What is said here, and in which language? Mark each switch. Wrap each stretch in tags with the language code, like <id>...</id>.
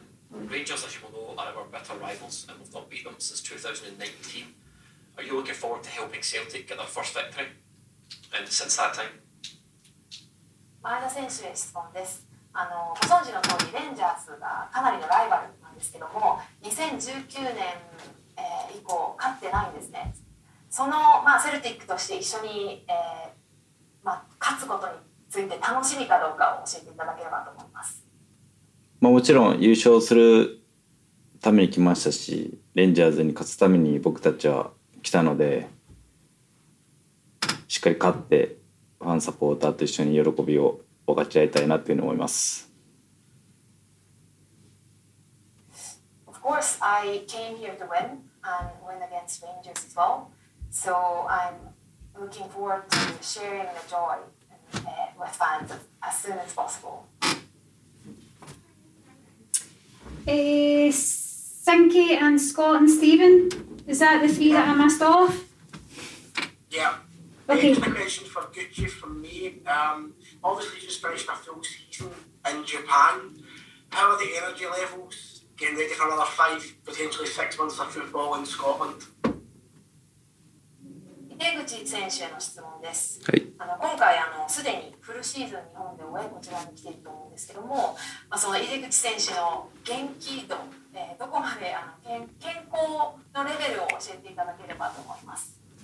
<en>Rangers, as you will know, are our bitter rivals and we've not beat them since 2019. Are you looking forward to helping Celtic get their first victory? And since that time?</en> <ja>前田選手へ質問です。ご存知の通り、レンジャーズがかなりのライバルなんですけども、2019年、以降、勝ってないんですね。その、まあ、セルティックとして一緒に、まあ、勝つことについて楽しみかどうかを教えていただければと思います。まあ、もちろん優勝するために来ましたし、レンジャーズに勝つために僕たちは来たので、しっかり勝ってファンサポーターと一緒に喜びを分かち合いたいなというふうに思います。</ja> <en>Of course I came here to win and win against Rangers as well, so I'm looking forward to sharing the joy with fans as soon as possible. Sinky and Scott and Stephen, is that the three that I missed off? Yeah. Okay. Just a question for Gucci from me. Obviously, just finished a full season in Japan. How are the energy levels getting ready for another five, potentially 6 months of football in Scotland? Well,</en> <ja>出口選手への質問です、はい、今回すでにフルシーズン日本で終えこちらに来ていると思うんですけども、その出口選手の元気度、どこまで健康のレベルを教えていただければと思います。</ja>